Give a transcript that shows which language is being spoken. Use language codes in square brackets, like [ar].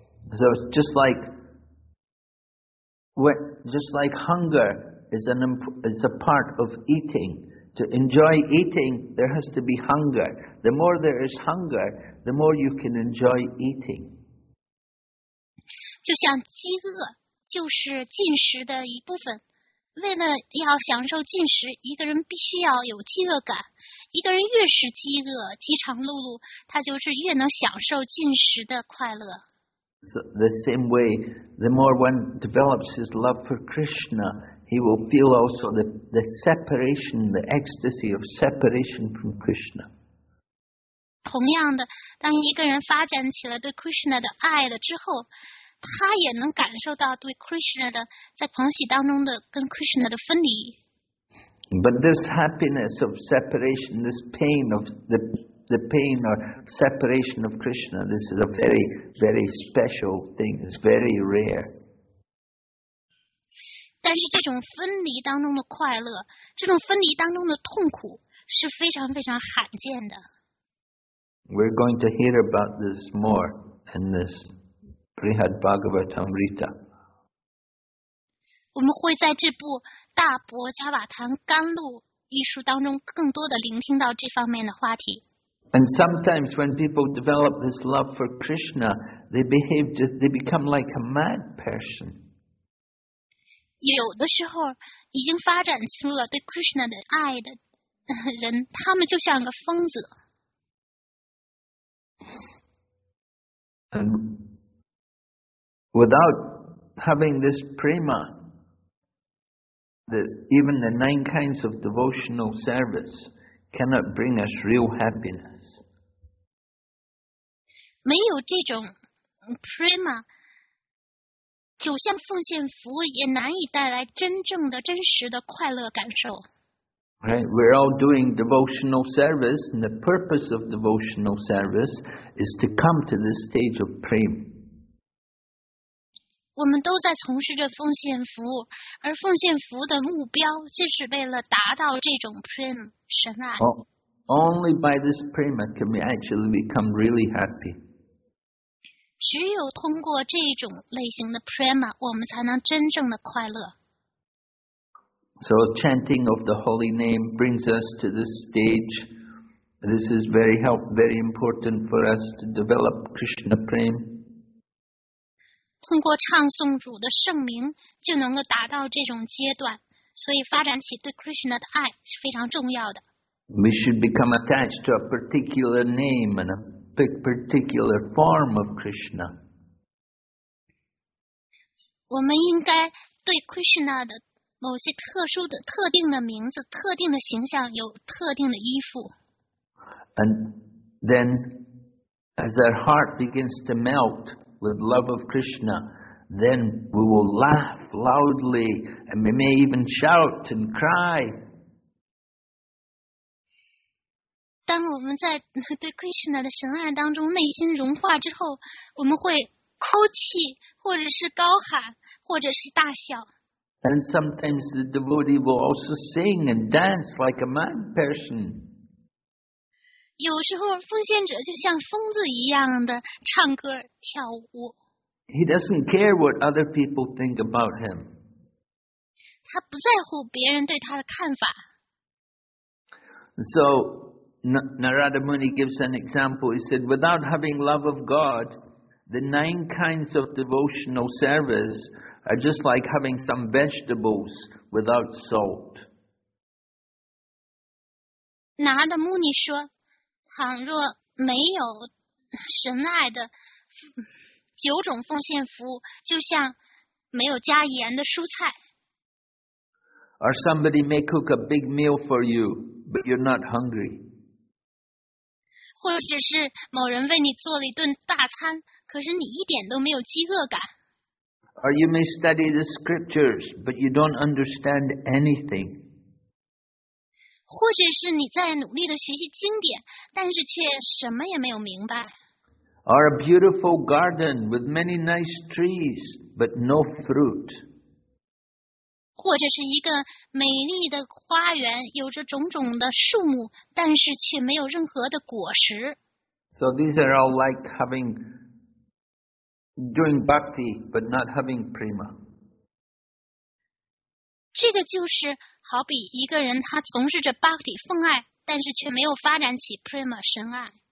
[en] So just like hunger is a part of eating. To enjoy eating, there has to be hunger. The more there is hunger, the more you can enjoy eating. [zh] 就像饥饿就是进食的一部分。为了要享受进食，一个人必须要有饥饿感。一个人越是饥饿、饥肠辘辘，他就是越能享受进食的快乐。 [en] So the same way, the more one develops his love for Krishna, he will feel also the separation, the ecstasy of separation from Krishna. [zh] 同样的，当一个人发展起了对 Krishna 的爱了之后。他也能感受到对 Krishna 的在狂喜当中的跟 Krishna 的分离。 [en] But this happiness of separation, this pain of the pain or separation of Krishna, this is a very, very special thing. It's very rare. [zh] 但是这种分离当中的快乐，这种分离当中的痛苦是非常非常罕见的。 [en] We're going to hear about this more in this. Brihad Bhagavatamrita. [zh] 我们会在这部《大博加瓦坛甘露》一书当中更多的聆听到这方面的话题。 [en] And sometimes when people develop this love for Krishna, they become like a mad person. [zh] 有的时候已经发展出了对 Krishna 的爱的人，他们就像个疯子。 [en] And without having this prema, that even the 9 kinds of devotional service cannot bring us real happiness. [zh] 没有这种 prema, 九项奉献服务也难以带来真正的、真实的快乐感受。 [en] Right, we're all doing devotional service, and the purpose of devotional service is to come to this stage of prema. [zh] 我们都在从事着奉献服务，而奉献服务的目标就是为了达到这种 prema 神爱。 [en] Only by this prema can we actually become really happy. [zh] 只有通过这种类型的 prema, 我们才能真正的快乐。 [en] So chanting of the holy name brings us to this stage. This is very help, very important for us to develop Krishna prema. [zh] 通过唱诵主的圣名就能够达到这种阶段，所以发展起对 Krishna 的爱是非常重要的。 [en] We should become attached to a particular name and a particular form of Krishna. [zh] 我们应该对 Krishna 的某些特殊的、特定的名字、特定的形象，有特定的依附。 [en] And then, as our heart begins to melt with love of Krishna, then we will laugh loudly, and we may even shout and cry. [zh] 当我们在对 Krishna 的神爱当中内心融化之后，我们会哭泣，或者是高喊，或者是大笑。 [en] And sometimes the devotee will also sing and dance like a mad person. [zh] 有时候奉献者就像疯子一样的唱歌跳舞。 [en] He doesn't care what other people think about him. [zh] 他不在乎别人对他的看法。 [en] So Narada Muni gives an example. He said, without having love of God, the 9 kinds of devotional service are just like having some vegetables without salt. [zh] Narada Muni 说，倘若没有神爱的九种奉献服务，就像没有加盐的蔬菜。 [en] Or somebody may cook a big meal for you, but you're not hungry. [zh] 或者是某人为你做了一顿大餐，可是你一点都没有饥饿感。 [en] Or you may study the scriptures, but you don't understand anything. [zh] 或者是你在努力地学习经典，但是却什么也没有明白。 [en] Or a beautiful garden with many nice trees, but no fruit. [zh] 或者是一个美丽的花园，有着种种的树木，但是却没有任何的果实。 [en] So these are all like having doing bhakti, but not having prema. [zh] 这个就是好比一个人他从事着 bhakti, 奉爱，但是却没有发展起 prema, 神爱。